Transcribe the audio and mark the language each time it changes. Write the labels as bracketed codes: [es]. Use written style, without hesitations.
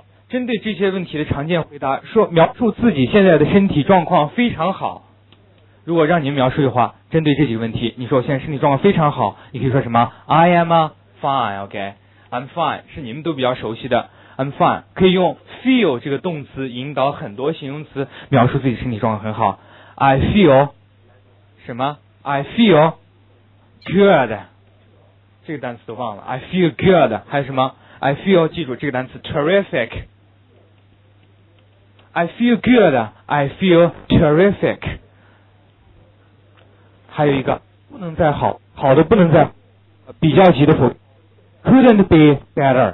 [zh] 针对这些问题的常见回答，说描述自己现在的身体状况非常好。如果让您描述的话，针对这几个问题，你说我现在身体状况非常好，你可以说什么 ？ I am fine, okay, I'm fine，是你们都比较熟悉的 I'm fine，可以用 feel 这个动词引导很多形容词描述自己身体状况很好。 [en] I feel 什么 ？I feel good，这个单词都忘了。 I feel good， 还有什么？ I feel 记住这个单词 terrific. I feel good. I feel terrific. [zh] 还有一个不能再好，好的不能再比较级的否 couldn't be better.